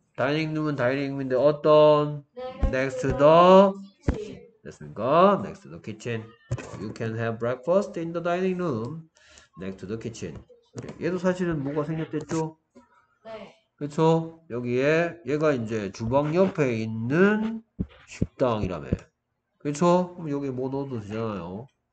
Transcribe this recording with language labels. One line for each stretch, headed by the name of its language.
Korean: 다이닝룸은 다이닝룸인데 어떤?
English: Next to the kitchen.
Korean: 됐습니까?
English: Next to the kitchen. You can have breakfast in the dining room. Next to the kitchen.
Korean: 얘도 사실은 뭐가 생겼댔죠? 그렇죠? 여기에 얘가 이제 주방 옆에 있는 식당이라며. 그렇죠? 그럼 여기에 뭐 넣어도 되잖아요.